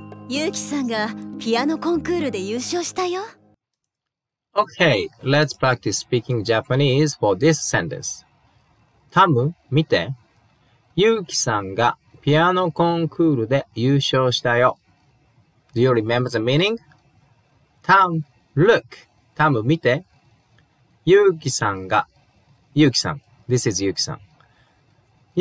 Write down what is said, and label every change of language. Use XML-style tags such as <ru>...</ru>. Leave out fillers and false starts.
<ja>ユキさんがピアノコンクールで優勝したよ。</ja> <en>Okay, let's practice speaking Japanese for this sentence.</en> <ja>Tam, 見て。ユキさんがピアノコンクールで優勝したよ。</ja> <en>Do you remember the meaning? Tam, look.</en> <ja>Tam, 見て。 Yuki さんが、Yuki さん。</ja> <en>This is</en> <ja>Yuki さん。</ja>